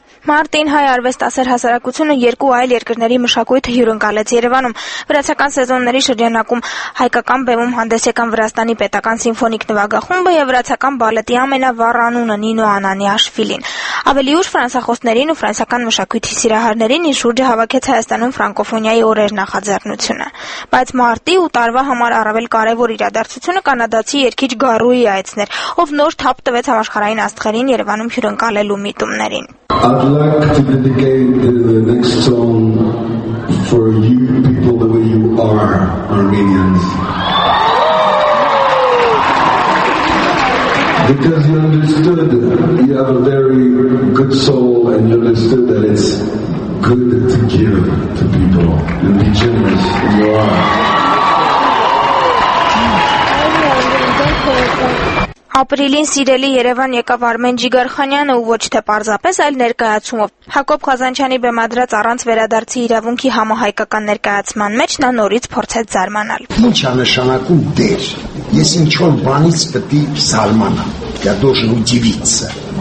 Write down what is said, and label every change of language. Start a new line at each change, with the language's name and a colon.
Armenian: Մարտին հայ արվեստասեր հասարակությունը երկու այլ երկրների մշակույթը հյուրընկալեց Երևանում։ Վրացական սեզոնների շրջանակում հայկական բեմում հանդես եկան Վրաստանի պետական սիմֆոնիկ նվագախումբը եւ վրացական բալետի ամենավառ անունը Նինո Անանիաշվիլին։ Ավելի ուշ ֆրանսախոսներին ու ֆրանսական մշակույթի սիրահարներին իր շուրջը հավաքեց Հայաստանում ֆրանկոֆոնիայի օրեր նախաձեռնությունը։ Բայց մարտի ու տարվա համար առավել կարևոր իրադարձությունը կանադացի երգիչ Գարուի այցներ, ով նոր թափ տվեց համաշխարհային աստղերին Երևանում հյուրընկալելու միտումներին։
English: I'd like to dedicate the next song for you people the way you are, Armenians. Because you understood you have a very good soul and you understood that it's good to give to people and be generous in your art.
Armenian: Ապրիլին սիրելի Երևան եկավ Արմեն Ջիգարխանյանը ու ոչ թե պարզապես, այլ ներկայացումով։ Հակոբ Խազանչյանի բեմադրած առանց վերադարձի իրավունքի համահայկական ներկայացման մեջ նա նորից փորձեց զարմանալ։ Ինչ է նշանակում դեր։ Ես ինչո՞ւ բանից պետք է զարմանամ։
Russian: Я должен удивиться.